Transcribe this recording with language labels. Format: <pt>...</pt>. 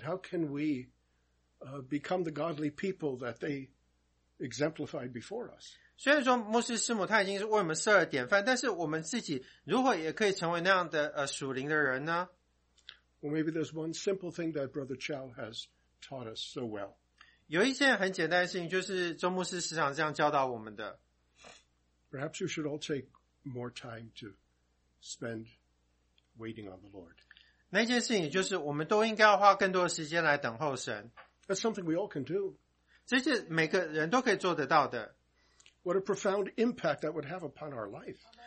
<en>How can we become the godly people that they exemplified before us?</en> <zh>虽然说牧师师母他已经是为我们设了典范，但是我们自己如何也可以成为那样的属灵的人呢？</zh> <en>Well, maybe there's one simple thing that Brother Chow has taught us so well.</en> <zh>有一件很简单的事情，就是周牧师时常这样教导我们的。</zh> <en>Perhaps we should all take more time to spend waiting on the Lord.</en> <zh>那件事情就是我们都应该要花更多的时间来等候神。</zh> <en>That's something we all can do.</en> <zh>这是每个人都可以做得到的。</zh> <en>What a profound impact that would have upon our life.</en>